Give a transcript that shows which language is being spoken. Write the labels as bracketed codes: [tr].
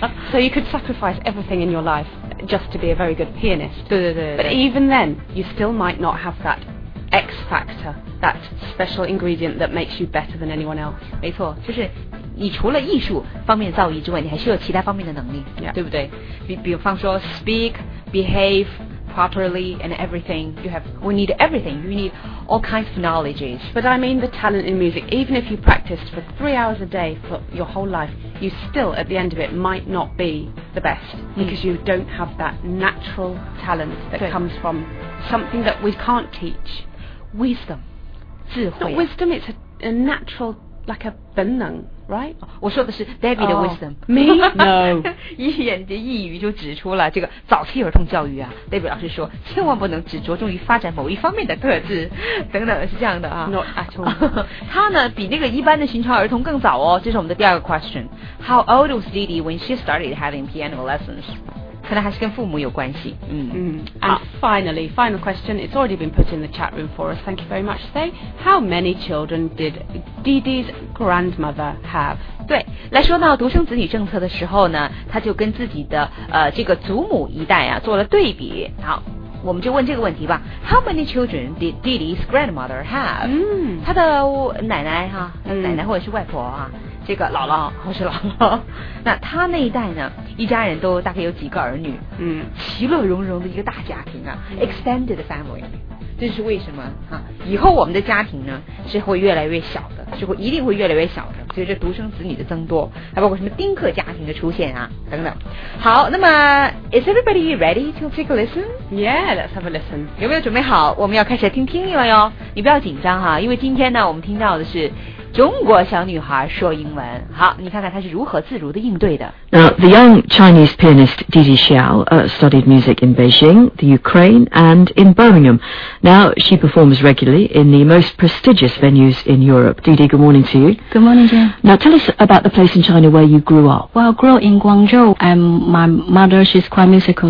[en] So you could sacrifice everything in your life just to be a very good pianist. [zh] 对对 对。 [en] But even then, you still might not have that X factor, that special ingredient that makes you better than anyone else. [zh] 没错，就是你除了艺术方面的造诣之外，你还需要其他方面的能力、 [en] yeah. [zh] 对不对？比方说 [en] speak, behave properly and everything. We need everything. You need all kinds of knowledges. But I mean the talent in music. Even if you practiced for 3 hours a day for your whole life, you still at the end of it might not be the best、嗯、 because you don't have that natural talent that comes from something that we can't teach. Wisdom. 智慧、啊、wisdom, it's a natural, like a 本能Right? [zh] 我说的是 Debbie 的 wisdom、 [en] oh, Me? No [zh] 一语就指出了这个早期儿童教育啊， Debbie 老师说千万不能只着重于发展某一方面的特质等等，是这样的啊。 [en] Not at all. [zh] 他呢比那个一般的寻常儿童更早哦，这是我们的第二个 question. [en] How old was Dee Dee when she started having piano lessons? [zh] 可能还是跟父母有关系。 [en] And finally, final question, it's already been put in the chat room for us, thank you very much. Say, how many children did Dee Dee's grandmother have? [zh] 对，来说到独生子女政策的时候呢，他就跟自己的这个祖母一代啊做了对比。好，我们就问这个问题吧。 [en] How many children did Dee Dee's grandmother have? [zh] 他的奶奶哈、奶奶或者是外婆啊，这个姥姥或是姥姥，那他那一代呢，一家人都大概有几个儿女，其乐融融的一个大家庭啊、extended family。这是为什么哈、以后我们的家庭呢是会越来越小的，是会一定会越来越小的，随着独生子女的增多，还包括什么丁克家庭的出现啊等等。好，那么 [en] Is everybody ready to take a listen? Yeah, let's have a listen. [zh] 有没有准备好我们要开始听听力了哟？你不要紧张哈、因为今天呢我们听到的是中国小女孩说英文。好，你看看她是如何自如地应对的。 [en] Now, the young Chinese pianist Didi Xiao, studied music in Beijing, the Ukraine, and in Birmingham. Now, she performs regularly in the most prestigious venues in Europe. Didi, good morning to you. Good morning, Jane. Now, tell us about the place in China where you grew up. Well, I grew up in Guangzhou. My mother, she's quite musical.